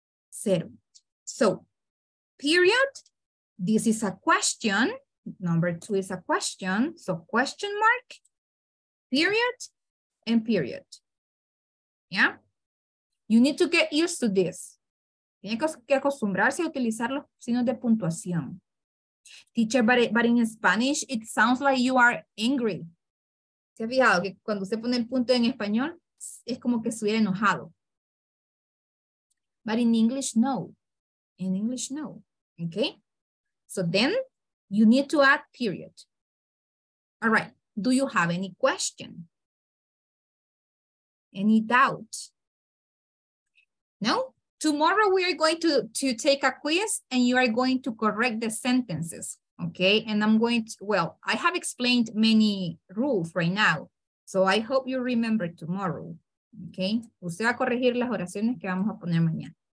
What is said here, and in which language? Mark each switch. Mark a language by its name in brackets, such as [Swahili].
[English] Cero. So, period, this is a question. Number two is a question. So, question mark, period, and period. Yeah? You need to get used to this. [Spanish] Tiene que acostumbrarse a utilizar los signos de puntuación. [English] Teacher, but in Spanish, it sounds like you are angry. [Spanish] ¿Se ha fijado que cuando usted pone el punto en español, es como que estuviera enojado? [English] But in English, no. In English, no. Okay? So then, you need to add period. All right. Do you have any question? Any doubt? No? Tomorrow we are going to take a quiz and you are going to correct the sentences, okay? And I'm going to, well, I have explained many rules right now, So I hope you remember tomorrow. Okay. [Spanish] Usted va a corregir las oraciones que vamos a poner mañana.